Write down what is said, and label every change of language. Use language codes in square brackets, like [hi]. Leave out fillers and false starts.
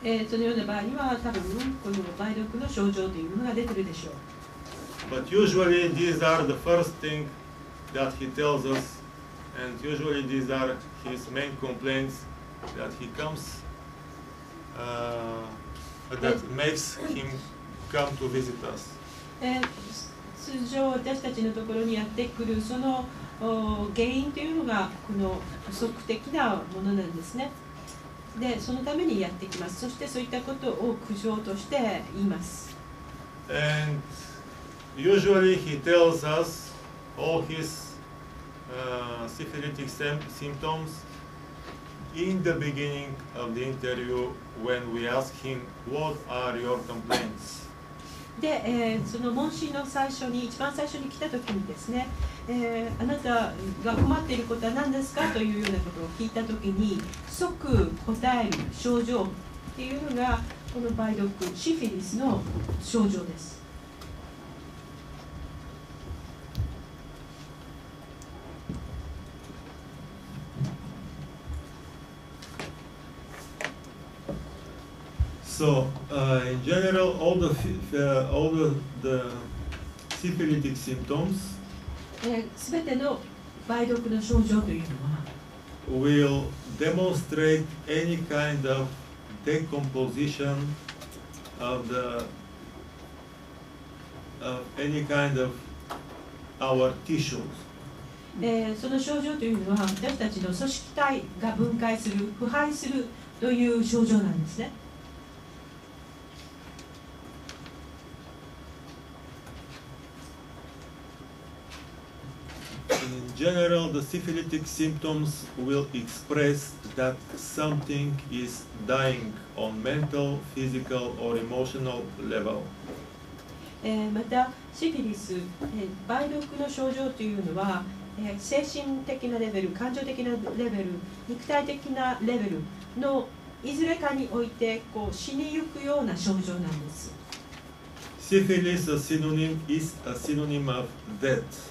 [ja] そのような場合には多分この梅毒の症状というものが出てるでしょう。 [en] But usually these are the first thing that he tells us, and usually these are his main complaints that he comes, that makes him come to visit us. [ja] 通常私たちのところにやってくるその原因というのがこの不足的なものなんですね。でそのためにやってきます。そしてそういったことを苦情として言います。 [en] And usually he tells us all his syphilitic symptoms in the beginning of the interview when we ask him what are your complaints. [ja] で、その問診の最初に一番最初に来た時にですね、あなたが困っていることは何ですかというようなことを聞いたときに即答える症状というのがこの梅毒シフィリスの症状です。 [en] So, in general, all the syphilitic symptoms [ja] 全ての梅毒の症状というのは [en] will demonstrate any kind of decomposition of the of any kind of our tissues. [ja] その症状というのは私たちの組織体が分解する腐敗するという症状なんですね。 [en] In general, the syphilitic symptoms will express that something is dying on mental, physical, or emotional level. [ja] また、シフィリス、梅毒の症状というのは、精神的なレベル、感情的なレベル、肉体的なレベルのいずれかにおいてこう死にゆくような症状なんです。 [en] Syphilis is a synonym of death.